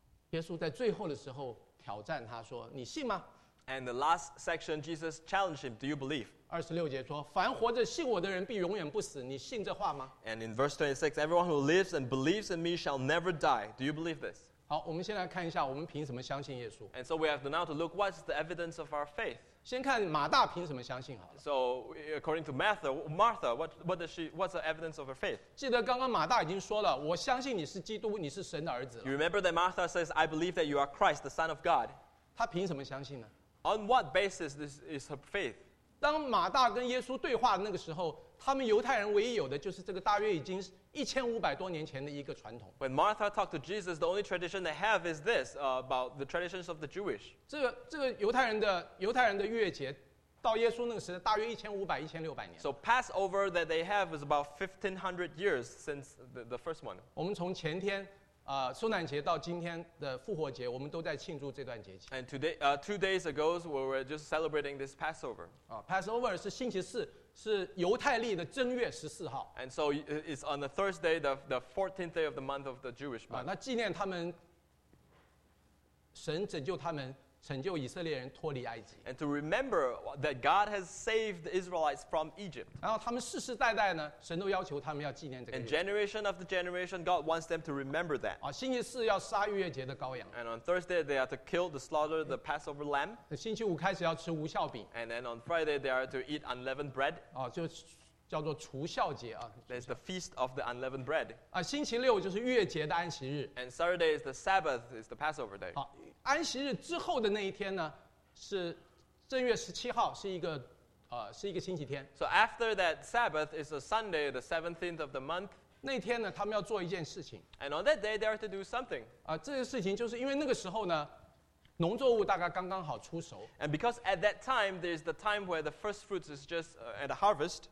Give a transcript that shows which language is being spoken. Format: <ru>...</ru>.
<zh>耶稣在最后的时候挑战他说你信吗？</zh> <en>And the last section, Jesus challenged him, do you believe?</en> <zh>26节说，凡活着信我的人必永远不死，你信这话吗？</zh> <en>And in verse 26, everyone who lives and believes in me shall never die. Do you believe this?</en> <zh>好，我们先来看一下我们凭什么相信耶稣。</zh> <en>And so we have now to look what's the evidence of our faith.</en> <zh>先看马大凭什么相信好了。</zh> <en>So according to Martha, what's the evidence of her faith?</en> <zh>记得刚刚马大已经说了，我相信你是基督，你是神的儿子。</zh> <en>You remember that Martha says, I believe that you are Christ, the Son of God.</en> <zh>她凭什么相信呢？</zh> <en>On what basis this is her faith?</en> <zh>当马大跟耶稣对话的那个时候，他们犹太人唯一有的就是这个大约已经1500多年前的一个传统。</zh> <en>When Martha talked to Jesus, the only tradition they have is this, about the traditions of the Jewish.</en> <zh>这个犹太人的逾越节到耶稣那个时代大约1500-1600年。</zh> <en>So Passover that they have is about 1500 years since the first one.</en> <zh>我们从前天圣诞节到今天的复活节，我们都在庆祝这段节气。</zh> <en>And today, two days ago, we were just celebrating this Passover.</en> <zh>Passover 是星期四，是犹太历的正月十四号。</zh> <en>And so it's on the Thursday, the 14th day of the month of the Jewish month.</en> <zh>那纪念他们，神拯救他们，拯救以色列人脱离埃及。</zh> <en>And to remember that God has saved the Israelites from Egypt.</en> <zh>然后他们世世代代呢，神都要求他们要纪念这个。</zh> <en>And generation after generation, God wants them to remember that.</en> <zh>星期四要杀逾越节的羔羊。</zh> <en>And on Thursday, they are to kill the slaughter the Passover lamb.</en> <zh>星期五开始要吃无酵饼。</zh> <en>And then on Friday, they are to eat unleavened bread.</en> <zh>就叫做除酵节啊。</zh> <en>That's the feast of the unleavened bread.</en> <zh>星期六就是逾越节的安息日。</zh> <en>And Saturday is the Sabbath, is the Passover day.</en> <zh>安息日之后的那一天呢，是正月十七号，是一个星期天。</zh> <en>So after that Sabbath is a Sunday, the 17th of the month.</en> <zh>那天呢，他们要做一件事情。</zh> <en>And on that day, they are to do something.</en> <zh>这个事情就是因为那个时候呢，农作物大概刚刚好出熟。</zh> <en>And because at that time, there is the time where the first fruits is just at the harvest.</en>